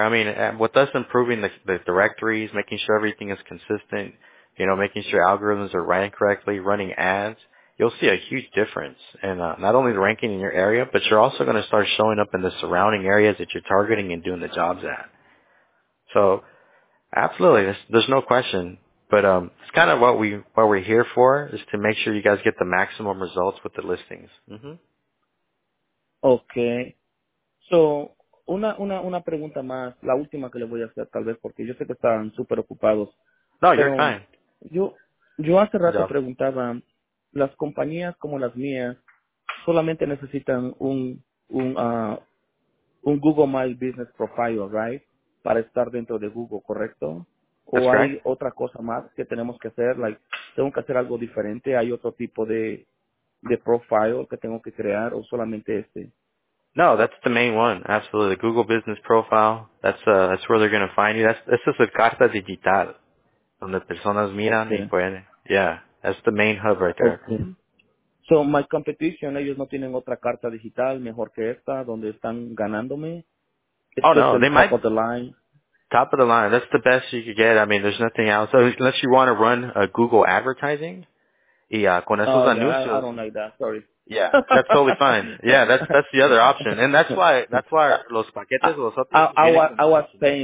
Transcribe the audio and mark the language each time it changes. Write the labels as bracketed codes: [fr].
[en] I mean, with us improving the directories, making sure everything is consistent, you know, making sure algorithms are ranked correctly, running ads, you'll see a huge difference in not only the ranking in your area, but you're also going to start showing up in the surrounding areas that you're targeting and doing the jobs at. So absolutely, there's no question. But it's kind of what we're here for, is to make sure you guys get the maximum results with the listings. Mm-hmm. Okay. [es] So, una pregunta más, la última que le voy a hacer, tal vez, porque yo sé que están super ocupados. [en] No, you're fine. [es] Yo hace rato preguntaba, las compañías como las mías solamente necesitan un Google My Business Profile, [en] right? [es] Para estar dentro de Google, ¿correcto? [en] That's [es] ¿O [en] correct. [es] Hay otra cosa más que tenemos que hacer? Like, ¿tengo que hacer algo diferente? ¿Hay otro tipo de profile que tengo que crear o solamente este? [en] No, that's the main one. Absolutely. The Google Business Profile, that's where they're going to find you. That's just a [es] carta digital donde personas miran y pueden. [en] Yeah, that's the main hub right there. Okay. So my competition, [es] ellos no tienen otra carta digital mejor que esta donde están ganándome. [en] It's oh, no, they top might. Of the line. Top of the line. That's the best you could get. I mean, there's nothing else. So unless you want to run Google advertising. [es] Yeah, con esos anuncios. [en] I don't like that. Sorry. Yeah, that's totally fine. Yeah, that's the other option. And that's why [es] los paquetes, los otros.